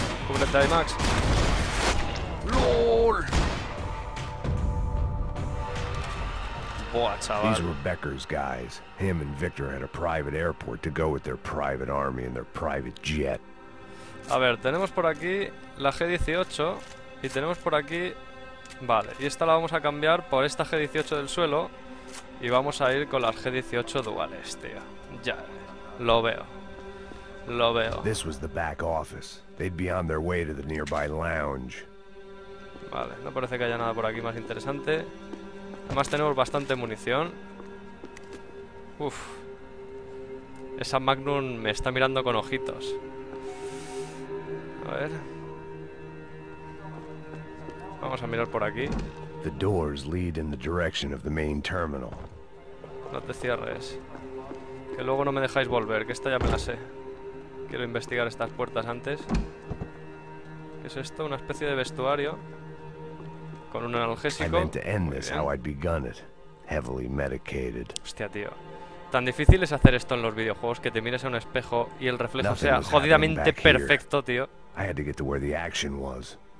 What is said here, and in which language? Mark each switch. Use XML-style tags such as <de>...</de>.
<en>Uf. Die, Max. LOL.</en> <es>Boah, chaval.</es> <en>These were Becker's guys. Him and Victor had a private airport to go with their private army and their private jet.</en> <es>A ver, tenemos por aquí la G18 y tenemos por aquí... Vale, y esta la vamos a cambiar por esta G18 del suelo y vamos a ir con las G18 duales, tío. Ya, lo veo. Lo veo.</es> <en>This was the back office. They'd be on their way to the nearby lounge.</en> <es>Vale, no parece que haya nada por aquí más interesante. Además tenemos bastante munición. Uf. Esa Magnum me está mirando con ojitos. A ver. Vamos a mirar por aquí.</es> <en>The doors lead in the direction of the main terminal.</en> <es>No te cierres. Que luego no me dejáis volver, que esta ya me la sé. Quiero investigar estas puertas antes. ¿Qué es esto? Una especie de vestuario con un analgésico.</es> <en>I meant to end this how I'd begun it. Heavily medicated.</en> <es>Hostia, tío. Tan difícil es hacer esto en los videojuegos, que te mires a un espejo y el reflejo</es> <en>Nothing</en> <es>sea jodidamente perfecto,</es> <en>here.</en> <es>Tío.</es> <en>I had to get to where the action was.</en>